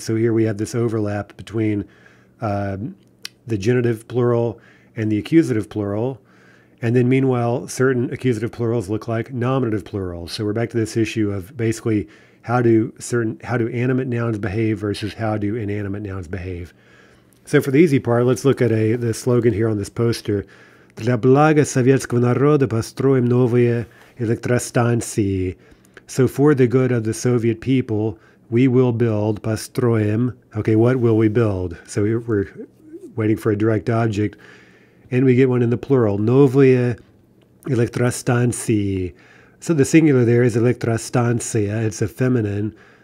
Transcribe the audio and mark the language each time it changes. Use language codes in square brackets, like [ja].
[en] So here we have this overlap between the genitive plural and the accusative plural. And then meanwhile, certain accusative plurals look like nominative plurals. So we're back to this issue of basically how do animate nouns behave versus how do inanimate nouns behave. So for the easy part, let's look at the slogan here on this poster. [ru] Для блага советского народа построим новые электростанции. [en] So for the good of the Soviet people, we will build, [ru] построим. [en] Okay, what will we build? So we're waiting for a direct object. And we get one in the plural, [ru] novye elektrostansii. [en] So the singular there is elektrostansia, it's a feminine.